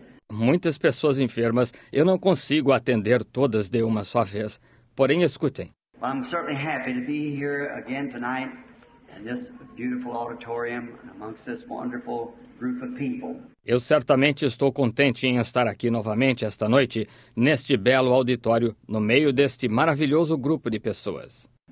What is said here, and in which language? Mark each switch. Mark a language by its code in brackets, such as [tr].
[pt] Muitas pessoas enfermas, eu não consigo atender todas de uma só vez, porém escutem. [en] I'm certainly happy to be here again tonight in this beautiful auditorium amongst this wonderful group of people. [pt] Eu certamente estou contente em estar aqui novamente esta noite, neste belo auditório, no meio deste maravilhoso grupo de pessoas.